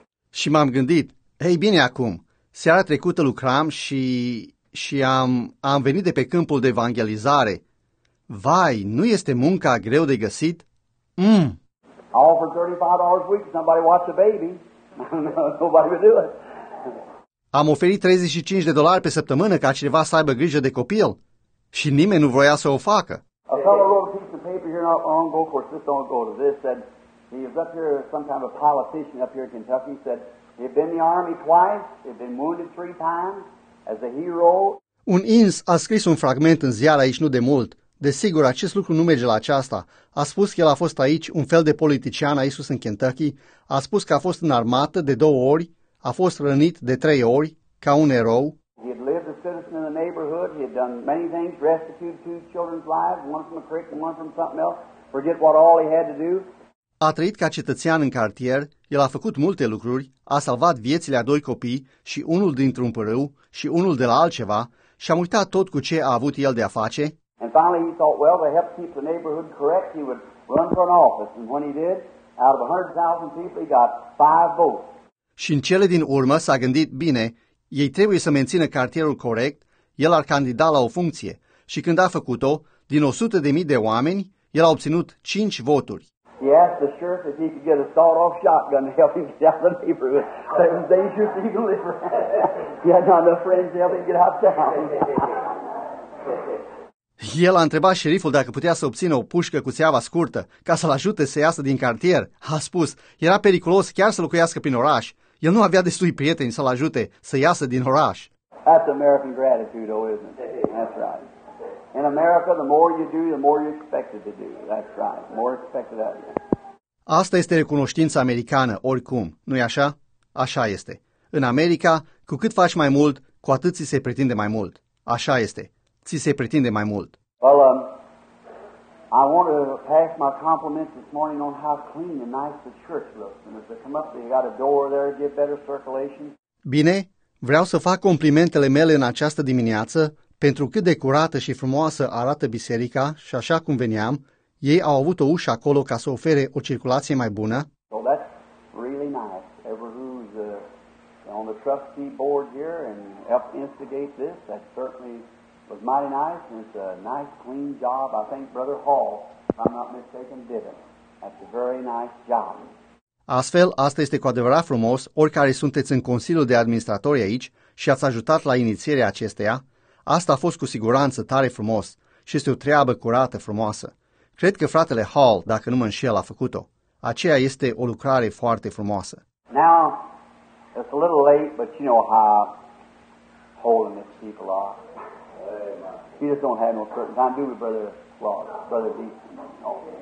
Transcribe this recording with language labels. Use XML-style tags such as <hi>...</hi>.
<ro>Și m-am gândit, hei bine acum, seara trecută lucram și am venit de pe câmpul de evangelizare. Vai, nu este munca greu de găsit? Mm.</ro> <en>All for $35 a week, somebody watch a baby. Nobody would do it.</en> <ro>Am oferit $35 pe săptămână ca cineva să aibă grijă de copil și nimeni nu vroia să o facă.</ro> <en>A fellow wrote a piece of paper here not long ago, of course this don't go to this, said he was up here, some kind of a politician up here in Kentucky, said he'd been in the army twice, he'd been wounded three times as a hero.</en> <ro>Un ins a scris un fragment în ziar aici nu de mult. Desigur, acest lucru nu merge la aceasta. A spus că el a fost aici, un fel de politician, a Isus în Kentucky, a spus că a fost în armată de două ori, a fost rănit de trei ori, ca un erou.</ro> <en>He had lived a citizen in the neighborhood, he had done many things, rescued two children's lives, one from a creek and one from something else, forget what all he had to do.</en> <ro>A trăit ca cetățean în cartier, el a făcut multe lucruri, a salvat viețile a doi copii și unul dintr-un pârâu și unul de la altceva și a uitat tot cu ce a avut el de a face.</ro> <en>And finally he thought, well, to help keep the neighborhood correct, he would run for an office. And when he did, out of 100,000 people, he got 5 votes.</en> <ro>Și în cele din urmă s-a gândit, bine, ei trebuie să mențină cartierul corect, el ar candida la o funcție. Și când a făcut-o, din 100.000 de oameni, el a obținut 5 voturi.</ro> <en>He asked the sheriff if he could get a sawed-off shotgun to help him get out of the neighborhood. That was dangerous to even live around. He had not enough friends to help him get out of town.</en> <ro>El a întrebat șeriful dacă putea să obțină o pușcă cu țeava scurtă ca să-l ajute să iasă din cartier. A spus, era periculos chiar să locuiască prin oraș. El nu avea destui prieteni să-l ajute să iasă din oraș.</ro> <en>That's American gratitude, though, isn't it? That's right. In America, the more you do, the more you're expected to do. That's right. More expected of you.</en> <ro>Asta este recunoștința americană, oricum, nu-i așa? Așa este. În America, cu cât faci mai mult, cu atât ți se pretinde mai mult. Așa este. Ți se pretinde mai mult.</ro> <en>Well, I want to pass my compliments this morning on how clean and nice the church looks. And as they come up, they got a door there to get better circulation.</en> <ro>Bine, vreau să fac complimentele mele în această dimineață pentru cât de curată și frumoasă arată biserica și așa cum veneam, ei au avut o ușă acolo ca să ofere o circulație mai bună.</ro> <en>So that's really nice. Everyone's on the trustee board here and helped instigate this. That's certainly... was mighty nice, and it's a nice, clean job. I think Brother Hall, if I'm not mistaken, did it. That's a very nice job.</en> <ro>Astfel, asta este cu adevărat frumos, oricare sunteți în Consiliul de Administratori aici și ați ajutat la inițierea acesteia, asta a fost cu siguranță tare frumos și este o treabă curată, frumoasă. Cred că fratele Hall, dacă nu mă înșel, a făcut-o. Aceea este o lucrare foarte frumoasă.</ro> <en>Now, it's a little late, but you know how holiness people are. You just don't have no certain time, do we, Brother Ross, Brother D? No.</en>